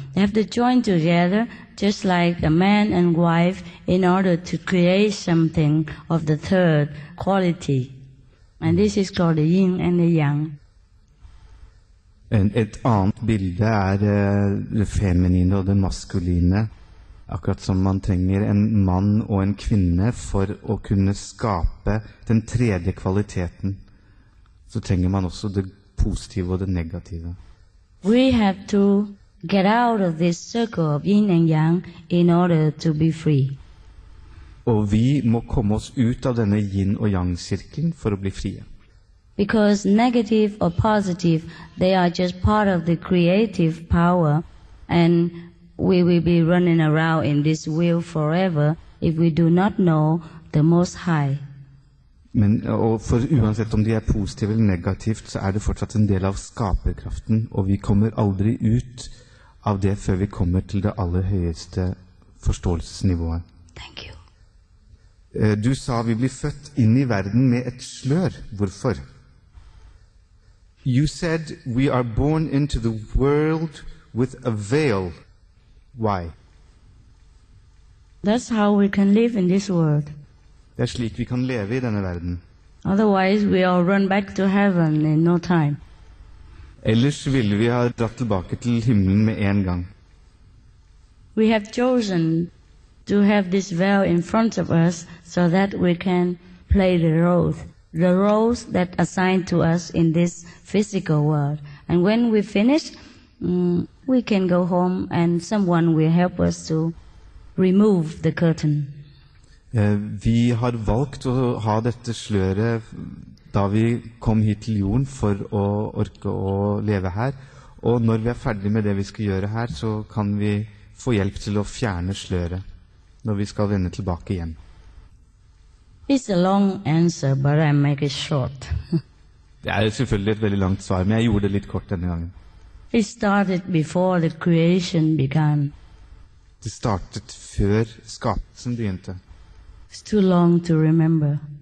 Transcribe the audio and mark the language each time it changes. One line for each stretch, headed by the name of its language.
English: They have to join together just like a man and wife in order to create something of the third quality. And this is called the yin and the yang.
Norwegian: And et annet bilde det feminine og det maskuline. Akkurat som man trenger en mann og en kvinne for å kunne skape den tredje kvaliteten, så trenger man også det positive og det negative.
English: We have to get out of this circle of yin and yang in order to be free.
Norwegian: Og vi må komme oss ut av denne yin og yang sirkelen for å bli frie.
English: Because negative or positive, they are just part of the creative power, and we will be running around in this wheel forever if we do not know the Most High.
Norwegian: Men og for uansett om de positive eller negativt, så det fortsatt en del av skaperkraften, og vi kommer aldri ut av det før vi kommer til det aller høyeste forståelsesnivået.
English: Thank you.
Norwegian: Du sa vi blir født inn I verden med et slør. Hvorfor?
English: You said we are born into the world with a veil. Why? That's how we can live in this world.
Norwegian: Det slik vi kan leve I denne verden.
English: Otherwise, we all run back to heaven in no time.
Norwegian: Ellers ville vi ha dratt tilbake til himmelen med en gang.
English: We have chosen to have this veil in front of us so that we can play the roles that are assigned to us in this physical world. And when we finish, we can go home and someone will help us to remove the curtain.
Norwegian: Vi har valgt å ha dette sløret da vi kom hit til jorden for å orke å leve her. Og når vi ferdige med det vi skal gjøre her, så kan vi få hjelp til å fjerne sløret når vi skal vende tilbake igjen.
English: It's a long answer, but I make it short.
Norwegian: Det er selvfølgelig et veldig langt svar, men jeg gjorde det litt kort denne gangen.
English: It started before the creation began.
Norwegian: Det startet før skapelsen begynte.
English: It's too long to remember.